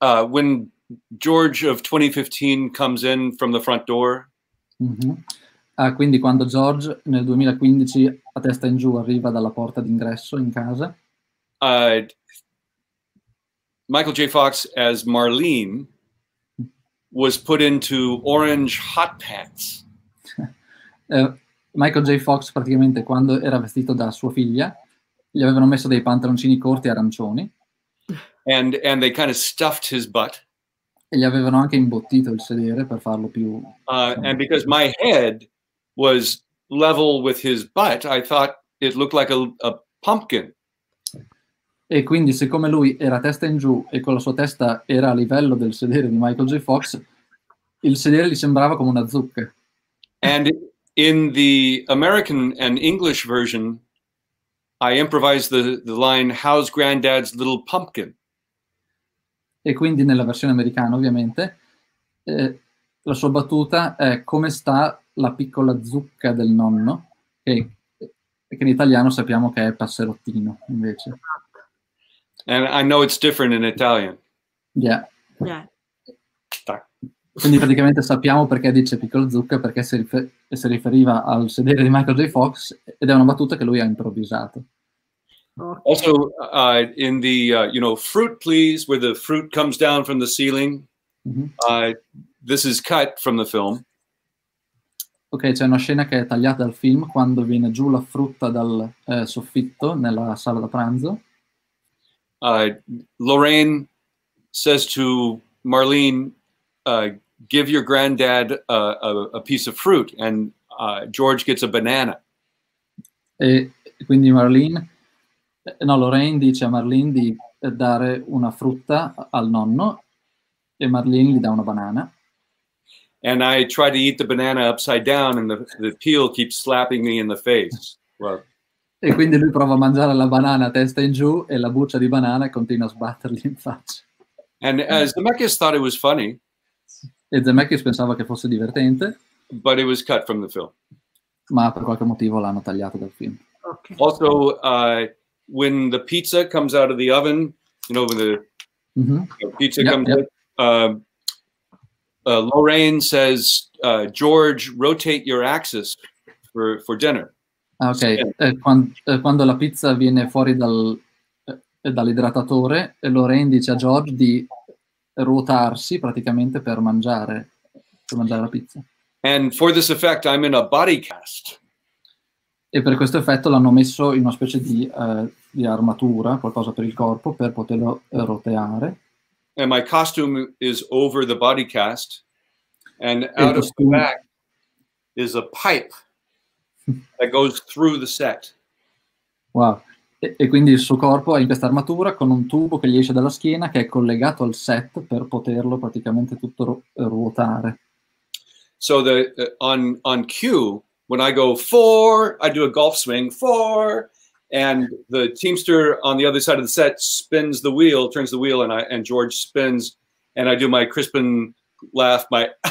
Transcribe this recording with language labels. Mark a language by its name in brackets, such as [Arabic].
[English] When George of 2015 comes in from the front door. Mm-hmm. [Italian] Quindi quando George nel 2015 a testa in giù arriva dalla porta d'ingresso in casa. [English] Michael J. Fox as Marlene was put into orange hot pants. Michael J. [Italian] Fox, praticamente, quando era vestito da sua figlia, gli avevano messo dei pantaloncini corti arancioni. [English] And they kind of stuffed his butt. [Italian] E gli avevano anche imbottito il sedere per farlo più... [English] And because my head was level with his butt, I thought it looked like a pumpkin. [Italian] E quindi, siccome lui era testa in giù e con la sua testa era a livello del sedere di Michael J. Fox, il sedere gli sembrava come una zucca. [English] And in the American and English version, I improvised the line, "How's granddad's little pumpkin?" [Italian] E quindi nella versione americana, ovviamente, la sua battuta è "Come sta la piccola zucca del nonno?" che in italiano sappiamo che è passerottino, invece. [English] And I know it's different in Italian. Yeah. Yeah. [Italian] Quindi praticamente sappiamo perché dice piccola zucca, perché si riferiva al sedere di Michael J. Fox, ed è una battuta che lui ha improvvisato. [English] Okay. Also, in the, you know, "Fruit Please," where the fruit comes down from the ceiling, this is cut from the film. [Italian] Ok, c'è una scena che è tagliata dal film, quando viene giù la frutta dal soffitto nella sala da pranzo. [English] Lorraine says to Marlene, "Give your granddad a piece of fruit," and George gets a banana. [Italian] E quindi Marlene, no, Lorraine dice a Marlene di dare una frutta al nonno, e Marlene gli dà una banana. [English] And I try to eat the banana upside down, and the peel keeps slapping me in the face. Well, [Italian] e quindi lui prova a mangiare la banana testa in giù, e la buccia di banana continua a sbattergli in faccia. [English] And Zemeckis thought it was funny. [Italian] E Zemeckis pensava che fosse divertente. [English] But it was cut from the film. [Italian] Ma per qualche motivo l'hanno tagliato dal film. [English] Okay. Also, when the pizza comes out of the oven, you know, when the pizza comes out, Lorraine says, "George, rotate your axis for dinner." [Italian] Ah, ok. Quando la pizza viene fuori dall'idratatore, Lorraine dice a George di ruotarsi praticamente per mangiare la pizza. [English] And for this effect, I'm in a body cast. [Italian] E per questo effetto l'hanno messo in una specie di armatura, qualcosa per il corpo, per poterlo roteare. [English] And my costume is over the body cast, and out of the back is a pipe that goes through the set. Wow. [Italian] E quindi il suo corpo è in questa armatura con un tubo che gli esce dalla schiena, che è collegato al set per poterlo praticamente tutto ruotare. [English] So the on cue, when I go four, I do a golf swing, four, and the teamster on the other side of the set spins the wheel, turns the wheel, and George spins, and I do my Crispin laugh, my